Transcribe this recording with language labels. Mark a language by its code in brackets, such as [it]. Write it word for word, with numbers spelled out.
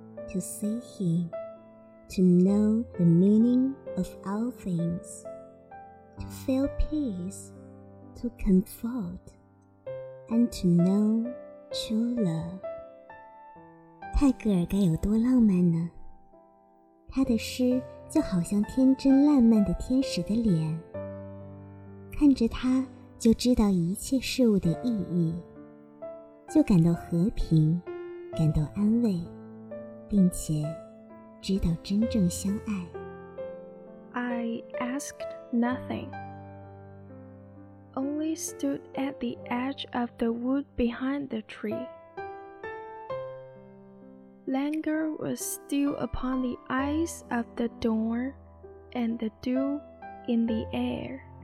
[en] To see him, to know the meaning of all things, to feel peace, to comfort, and to know true love. [zh] 泰戈尔该有多浪漫呢？他的诗就好像天真烂漫的天使的脸，看着他就知道一切事物的意义，就感到和平，感到安慰，并且知道真正相爱。 [en] I asked nothing, only stood at the edge of the wood behind the tree. Languor was still upon the eyes of the dawn, and the dew in the air.